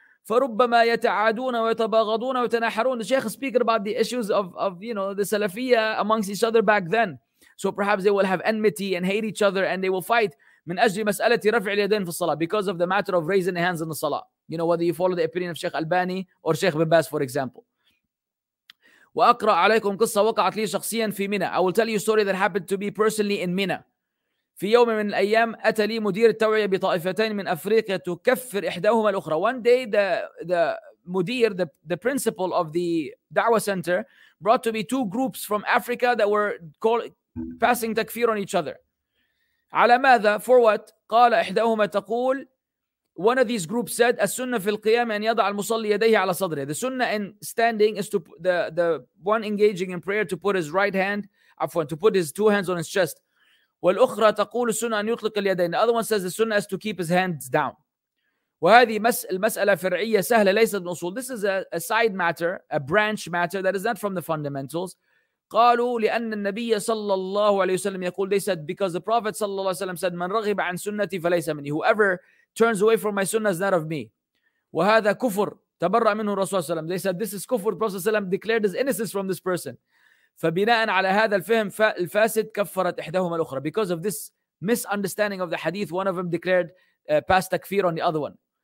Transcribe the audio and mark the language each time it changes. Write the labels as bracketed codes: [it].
[ar] فربما يتعادون ويتباغضون ويتناحرون. [en] The Sheikh is speaking about the issues of you know, the Salafiyya amongst each other back then. So perhaps they will have enmity and hate each other, and they will fight [ar] من أجل مسألة رفع اليدين في الصلاة, [en] because of the matter of raising the hands in the صلاة. You know, whether you follow the opinion of Sheikh Albani or Sheikh Bin Baz, for example. [ar] وأقرأ عليكم قصة وقعت لي شخصيا في منى. [en] I will tell you a story that happened to me personally in Mina. [ar] في يوم من الأيام أتى لي مدير التوعية بطائفتين من أفريقيا تكفر إحداهما الأخرى. [en] One day the principal of the Dawa Center brought to me two groups from Africa that were passing takfir on each other. [ar] على ماذا? [en] For what? [ar] قال إحداهما تقول, [en] one of these groups said, [ar] السنة في القيام أن يضع المصلي يديه على صدره. [en] The sunnah in standing is to the one engaging in prayer to put his right hand, to put his two hands on his chest. [ar] والأخرى تقول السنة أن يطلق اليدين. [en] The other one says the sunnah is to keep his hands down. [ar] وهذه المسألة فرعية سهلة ليست من أصول. [en] This is a side matter, a branch matter that is not from the fundamentals. [ar] قالوا لأن النبي صلى الله عليه وسلم يقول, [en] they said because the Prophet [ar] صلى الله عليه وسلم said, من رغب عن سنتي فليس مني. [en] Whoever turns away from my sunnah is not of me. [ar] وهذا كفر تبرأ منه الرسول صلى الله عليه وسلم. [en] They said this is kufr. Prophet صلى الله عليه وسلم declared his innocence from this person. [ar] فبناء على هذا الفهم الفاسد كفرت إحداهما الأخرى. [en] Because of this misunderstanding of the hadith, one of them declared past takfir on the other one.